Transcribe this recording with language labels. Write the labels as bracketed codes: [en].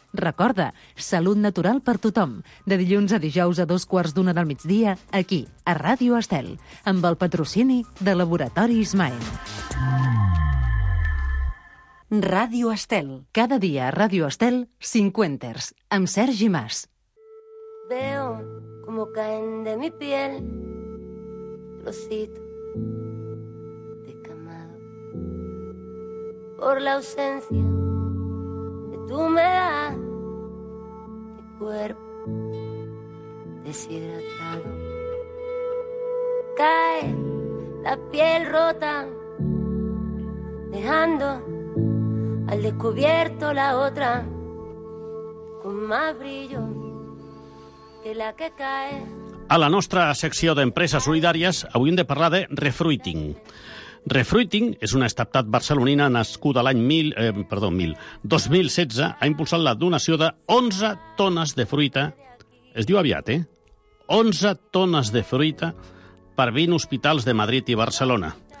[ca] Recorda, Salut Natural per Tothom. De dilluns a dijous a 12:45 del migdia, aquí, a Ràdio Estel, amb el patrocini de Laboratori Ismael. Ràdio Estel. Cada dia a Ràdio Estel, 50ers, amb Sergi Mas. [es] Veo como caen de mi piel trocitos de camado por la ausencia de tu humedad de cuerpo deshidratado. Cae la piel rota dejando al descubierto la otra con más brillo que la que cae. [ca] A la nostra secció d'Empreses Solidàries avui hem de parlar de Refruiting. Refruiting és una startup barcelonina nascuda l'any 2016. Ha impulsat la donació de 11 tones de fruita. Es diu aviat, eh? 11 tones de fruita per 20 hospitals de Madrid i Barcelona.